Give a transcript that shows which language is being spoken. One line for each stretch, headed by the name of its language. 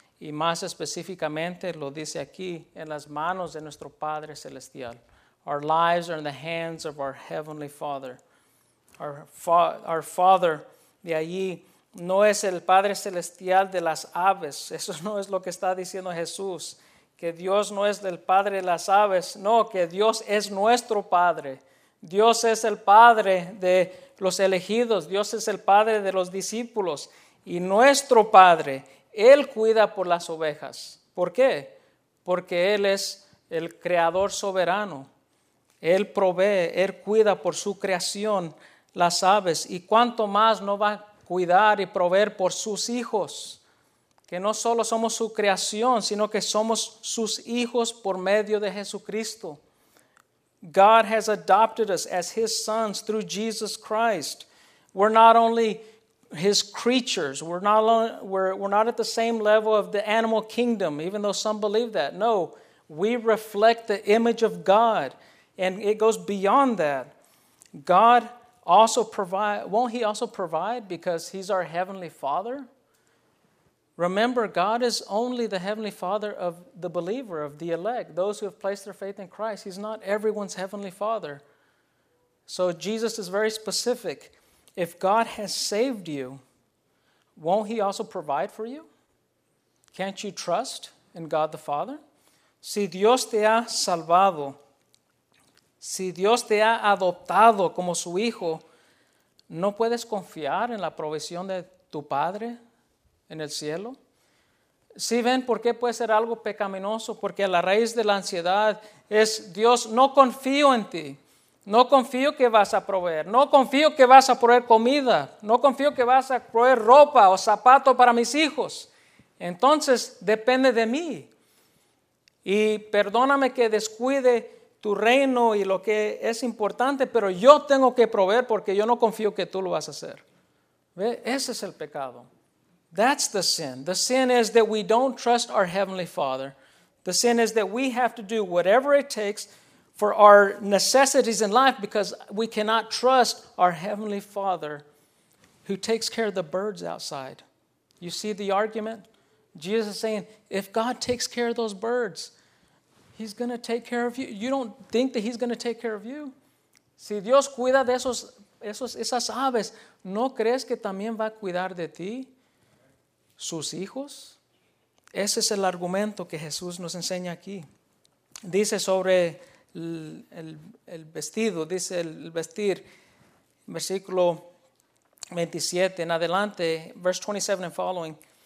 Spanish: Y más específicamente, lo dice aquí, en las manos de nuestro Padre Celestial.
English: Our lives are in the hands of our Heavenly Father. Our Father
Spanish: de allí no es el Padre Celestial de las aves. Eso no es lo que está diciendo Jesús. Que Dios no es del Padre de las aves. No, que Dios es nuestro Padre. Dios es el Padre de los elegidos. Dios es el Padre de los discípulos. Y nuestro Padre, Él cuida por las ovejas. ¿Por qué? Porque Él es el Creador soberano. Él provee, Él cuida por su creación, las aves. ¿Y cuánto más no va a cuidar y proveer por sus hijos? Que no solo somos su creación, sino que somos sus hijos por medio de Jesucristo.
English: God has adopted us as His sons through Jesus Christ. We're not only His creatures. We're not at the same level of the animal kingdom, even though some believe that. No, we reflect the image of God, and it goes beyond that. God also provide. Won't He also provide because He's our Heavenly Father? Remember, God is only the Heavenly Father of the believer, of the elect, those who have placed their faith in Christ. He's not everyone's Heavenly Father. So Jesus is very specific. If God has saved you, won't He also provide for you? Can't you trust in God the Father?
Spanish: Si Dios te ha salvado, si Dios te ha adoptado como su hijo, ¿no puedes confiar en la provisión de tu Padre en el cielo? Si ven, ¿por qué puede ser algo pecaminoso? Porque la raíz de la ansiedad es, Dios, no confío en ti. No confío que vas a proveer. No confío que vas a proveer comida. No confío que vas a proveer ropa o zapato para mis hijos. Entonces, depende de mí. Y perdóname que descuide tu reino y lo que es importante, pero yo tengo que proveer porque yo no confío que tú lo vas a hacer. ¿Ve? Ese es el pecado.
English: That's the sin. The sin is that we don't trust our Heavenly Father. The sin is that we have to do whatever it takes for our necessities in life because we cannot trust our Heavenly Father who takes care of the birds outside. You see the argument? Jesus is saying, if God takes care of those birds, He's going to take care of you. You don't think that He's going to take care of you?
Spanish: Si Dios cuida de esas aves, ¿no crees que también va a cuidar de ti, sus hijos? Ese es el argumento que Jesús nos enseña aquí. Dice sobre el vestido, dice el vestir, versículo 27 en adelante,
English: verse 27 and following.